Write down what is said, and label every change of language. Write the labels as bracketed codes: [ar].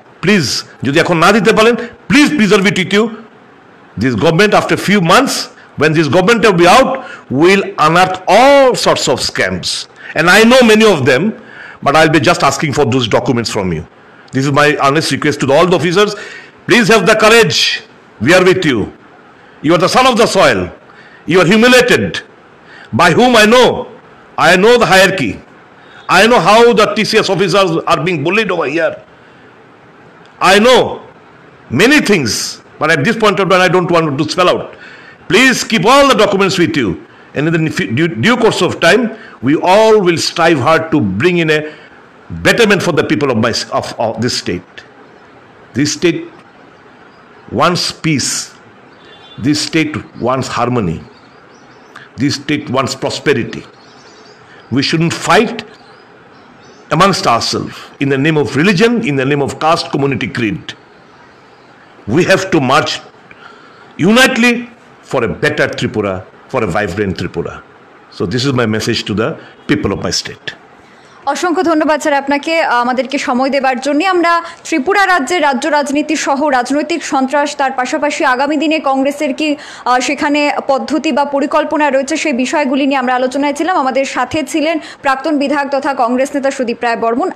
[en] please [bn] যদি এখন না দিতে পারেন, [en] Please preserve it with you, this government after few months, when this government will be out, will unearth all sorts of scams, and I know many of them, but I will be just asking for those documents from you, this is my earnest request to all the officers, please have the courage, we are with you, you are the son of the soil, You are humiliated. By whom? I know the hierarchy. I know how the TCS officers are being bullied over here. I know many things, but at this point of time, I don't want to spell out. Please keep all the documents with you. And in the due course of time, we all will strive hard to bring in a betterment for the people of this state. This state wants peace. This state wants harmony. This state wants prosperity. We shouldn't fight amongst ourselves in the name of religion, in the name of caste, community, creed. We have to march unitedly for a better Tripura, for a vibrant Tripura. So this is my message to the people of my state. [bn] অসংখ্য ধন্যবাদ sir আপনাকে আমাদেরকে সময় দেবার জন্য। আমরা ত্রিপুরা রাজ্যের রাজ্য রাজনীতি সহ রাজনৈতিক সন্ত্রাস তার পাশাপাশি আগামী দিনে কংগ্রেসের কি সেখানে পদ্ধতি বা পরিকল্পনা রয়েছে সেই বিষয়গুলি নিয়ে আমরা আলোচনায় ছিলাম। আমাদের সাথে ছিলেন প্রাক্তন বিধায়ক তথা কংগ্রেস নেতা সুদীপ রায় বর্মণ।